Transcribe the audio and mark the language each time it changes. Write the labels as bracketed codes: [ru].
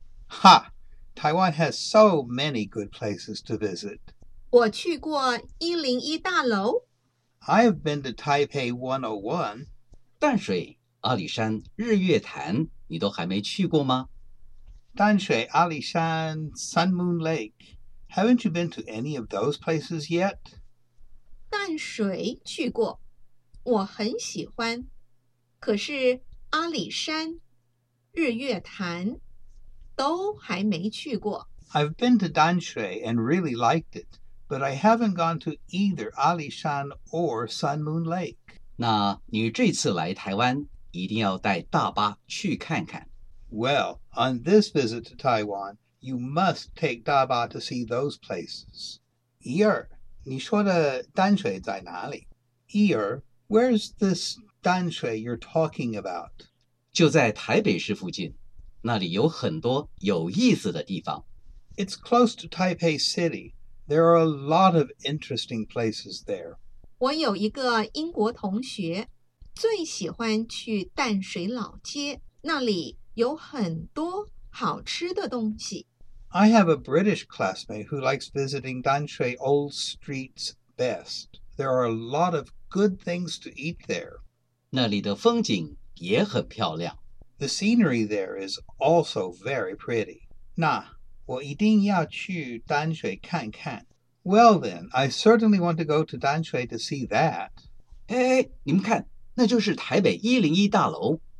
[en] 哈 ，Taiwan has so many good places to visit. [zh] 我去过101大楼。 [en] I have been to Taipei 101. [zh] 淡水、阿里山、日月潭，你都还没去过吗？ [en] 淡水、阿里山、Sun Moon Lake. Haven't you been to any of those places yet? [zh] 淡水去过，我很喜欢。可是阿里山、日月潭都还没去过。 [en] I've been to 淡水 and really liked it, but I haven't gone to either 阿里山 or Sun Moon Lake. [zh] 那你这次来台湾，一定要带大巴去看看。 [en] Well, on this visit to Taiwan,You must take 大巴 to see those places. [zh] 一二，你说的淡水在哪里？ [en] 一二 ，Where's this 淡水 you're talking about? [zh] 就在台北市附近，那里有很多有意思的地方。 [en] It's close to Taipei City. There are a lot of interesting places there. [zh] 我有一个英国同学，最喜欢去淡水老街，那里有很多。好吃的东西。 [en] I have a British classmate who likes visiting Danshui Old Streets best. There are a lot of good things to eat there. [zh] 那里的风景也很漂亮。 [en] The scenery there is also very pretty. [zh] 那我一定要去Danshui看看。 [en] Well then, I certainly want to go to Danshui to see that. [zh] 哎，你们看，那就是台北101大楼。